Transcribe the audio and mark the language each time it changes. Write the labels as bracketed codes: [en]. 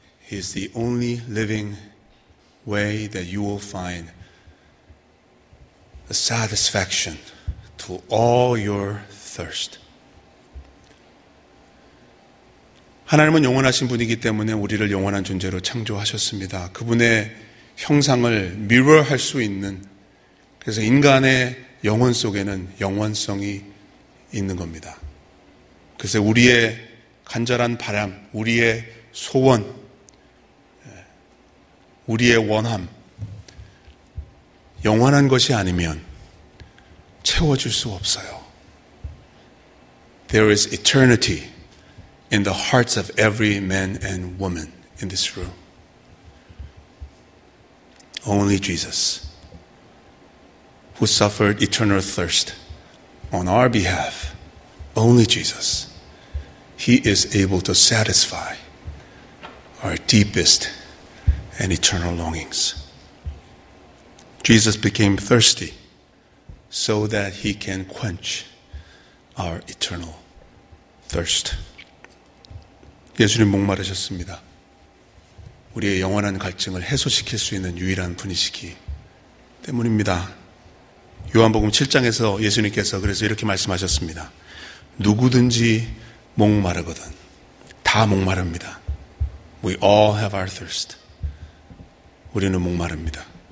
[en] He's the only living way that you will find a satisfaction to all your thirst. [ko] 하나님은 영원하신 분이기 때문에 우리를 영원한 존재로 창조하셨습니다. 그분의 형상을 미러할 수 있는 그래서 인간의 영혼 속에는 영원성이 있는 겁니다. 그래서 우리의 간절한 바람, 우리의 소원, 우리의 원함, 영원한 것이 아니면 채워줄 수 없어요. [en] There is eternity in the hearts of every man and woman in this room. Only Jesus, who suffered eternal thirst on our behalf, only Jesus, He is able to satisfy our deepest and eternal longings. Jesus became thirsty so that He can quench our eternal thirst. [ko] 예수님 목마르셨습니다. 우리의 영원한 갈증을 해소시킬 수 있는 유일한 분이시기 때문입니다. 요한복음 7장에서 예수님께서 그래서 이렇게 말씀하셨습니다. 누구든지 목마르거든 다 목마릅니다. [en] We all have our thirst. [ko] 우리는 목마릅니다.